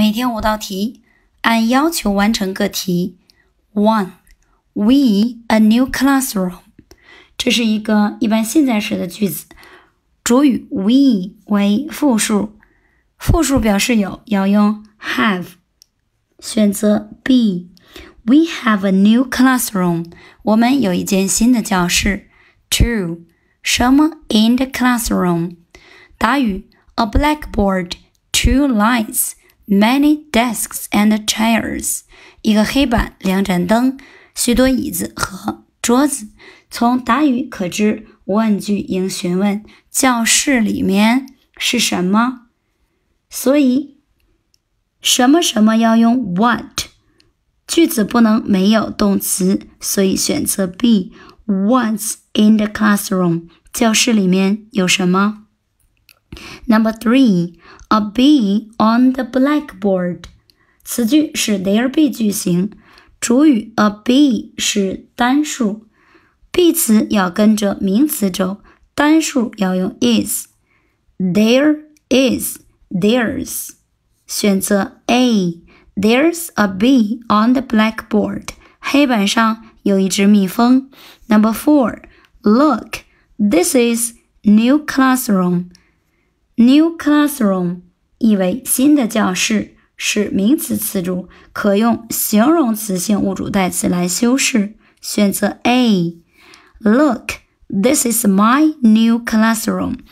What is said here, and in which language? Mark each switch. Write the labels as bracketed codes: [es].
[zh] 天五道题，按要求完成各题。 [en] One, we a new classroom. [zh] 这是一个一般现在时的句子，主语 we 为复数，复数表示有，要用 have。选择 [en] B, we have a new classroom. [zh] 我们有一间新的教室。 [en] Two, [zh] 什么 [en] in the classroom? [zh] 答语 [en] a blackboard, two lights. Many desks and chairs. [zh] 一个黑板，两盏灯，许多椅子和桌子。从答语可知，问句应询问教室里面是什么。所以，什么什么要用 what? 句子不能没有动词，所以选择 B. [en] What's in the classroom? [zh] 教室里面有什么？ [en] Number three, a bee on the blackboard. [zh] 此句是 there be 句型，主语 a bee 是单数， be 词要跟着名词走，单数要用 is. [en] There is, there's. [zh] 选择 [en] A, there's a bee on the blackboard. [zh] 黑板上有一只蜜蜂。 [en] Number four, look, this is new classroom. [zh] New classroom 意为新的教室，是名词词组，可用形容词性物主代词来修饰。选择 A. [en] Look, this is my new classroom.